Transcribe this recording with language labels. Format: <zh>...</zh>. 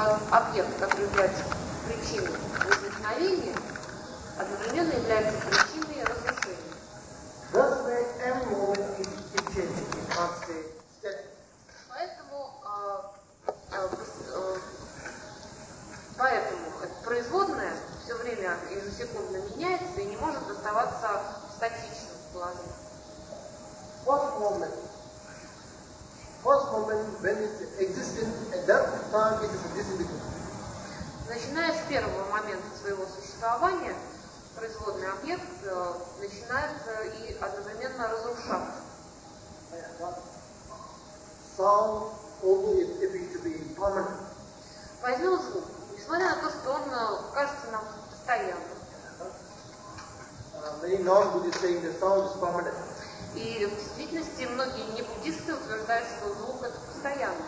<ru>Объект, который является причиной возникновения, одновременно является причиной разрушения. Поэтому это производное все время ежесекундно меняется и не может оставаться в статичном положении.</ru> <en>First moment when it existed at that time it is disintegrated.</en> <ru>Начиная с первого момента своего существования, производный объект начинает и одновременно разрушаться.</ru> <en>Sound, although it appears to be impermanent.</en> <ru>Возьмем звук, несмотря на то, что он кажется нам постоянным.</ru> <en>Many non-Buddhists saying the sound is permanent.</en> <ru>И в действительности многие небуддисты утверждают, что звук это постоянный</ru>